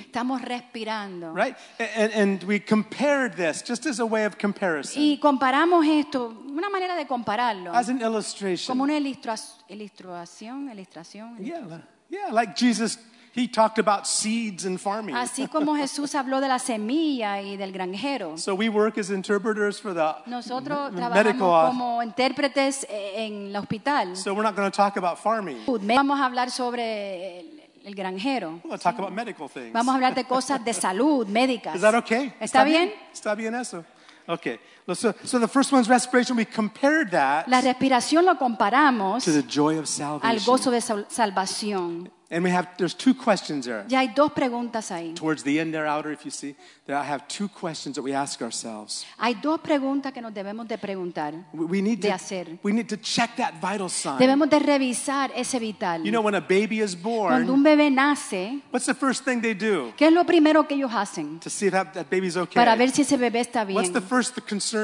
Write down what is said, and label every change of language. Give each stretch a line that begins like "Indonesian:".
Spanish: Estamos respirando.
English: Right? And we compared this just as a way of comparison.
Spanish: Y comparamos esto, una manera de compararlo.
English: As an illustration.
Spanish: Como una ilustración.
English: Yeah, like Jesus, he talked about seeds and farming.
Spanish: Así como Jesús habló de la semilla y del granjero.
English: So we work as interpreters for the
Spanish: Nosotros
English: medical
Spanish: trabajamos como intérpretes en el hospital.
English: So we're not going to talk about farming.
Spanish: Vamos a hablar sobre el granjero.
English: We're going to talk about medical things.
Spanish: Vamos a hablar de cosas de salud, médicas.
English: Is that okay?
Spanish: ¿Está bien? Está bien eso.
English: Okay, so the first one's respiration. We compared that
Spanish: La respiración lo comparamos
English: to the joy of salvation.
Spanish: Al gozo de salvación.
English: And there's two questions there.
Spanish: Ya hay dos preguntas ahí.
English: Towards the end there, outer, if you see, there I have two questions that we ask ourselves.
Spanish: Hay dos preguntas que nos debemos de preguntar, hacer.
English: We need to check that vital sign.
Spanish: Debemos de revisar ese vital.
English: You know, when a baby is born,
Spanish: cuando un bebé nace,
English: what's the first thing they do?
Spanish: ¿Qué es lo primero que ellos hacen?
English: To see if that baby's okay.
Spanish: Para ver si ese bebé está bien.
English: What's the first the concern